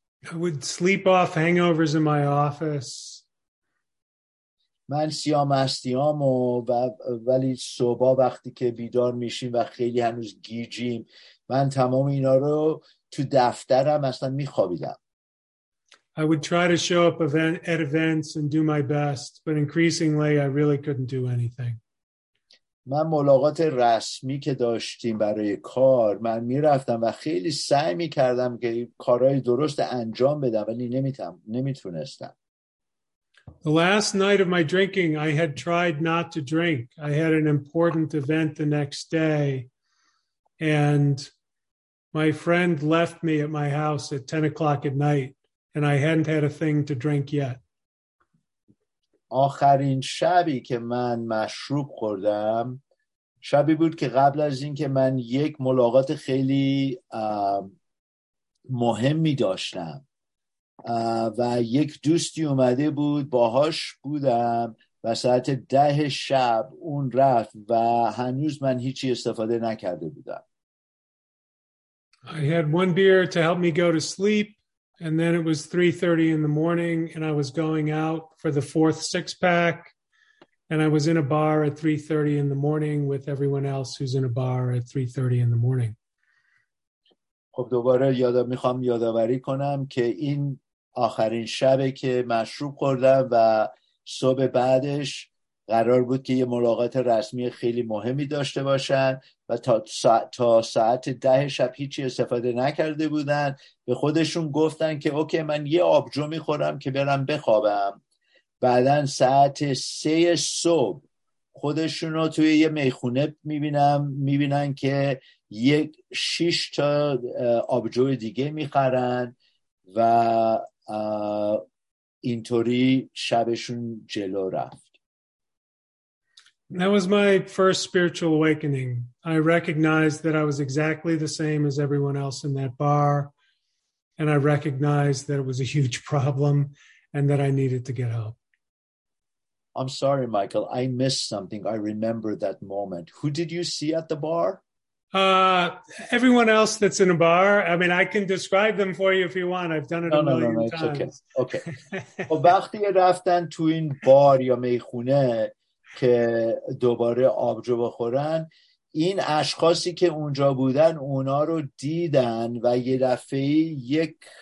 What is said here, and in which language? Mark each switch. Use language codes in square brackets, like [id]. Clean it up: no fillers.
[en] I would sleep off hangovers in my office. [fa] من سیامستیامو ولی صبح وقتی که بیدار میشیم و خیلی هنوز گیجیم من تمام اینا رو تو دفترم اصلا میخوابیدم. [en] I would try to show up at events and do my best, but increasingly I really couldn't do anything. [fa] من ملاقات رسمی که داشتیم برای کار من میرفتم و خیلی سعی میکردم که کارهای درست انجام بدم ولی نمیتونستم. [en] The last night of my drinking, I had tried not to drink. I had an important event the next day, and my friend left me at my house at 10 o'clock at night, and I hadn't had a thing to drink yet. [fa] آخرین شبی که من مشروب خوردم شبی بود که قبل از این که من یک ملاقات خیلی مهمی داشتم و یک دوستی اومده بود باهاش بودم و ساعت 10 شب اون رفت و هنوز من هیچی استفاده نکرده بودم. [en] I had one beer to help me go to sleep and then it was 3:30 in the morning and I was going out for the fourth six pack and I was in a bar at 3:30 in the morning with everyone else who's in a bar at 3:30 in the morning. [fa] خب دوباره یادآوری کنم که این آخرین شبه که مشروب خوردم و صبح بعدش قرار بود که یه ملاقات رسمی خیلی مهمی داشته باشن و تا ساعت 10 شب هیچی استفاده نکرده بودن. به خودشون گفتن که اوکی من یه آبجو میخورم که برم بخوابم. بعدن ساعت 3 صبح خودشون رو توی یه میخونه میبینن که یک 6 تا آبجو دیگه میخرن و اینطوری شبشون جلو رفت. [en] That was my first spiritual awakening. I recognized that I was exactly the same as everyone else in that bar, and I recognized that it was a huge problem and that I needed to get help. I'm sorry, Michael. I missed something. I remember that moment. Who did you see at the bar? Everyone else that's in a bar. I mean, I can describe them for you if you want. I've done it a million times. Okay. [fa] و وقتی رفتن تو این بار یا میخونه که دوباره آبجو بخورن، این اشخاصی که اونجا بودن اونا رو دیدن و یه دفعه یک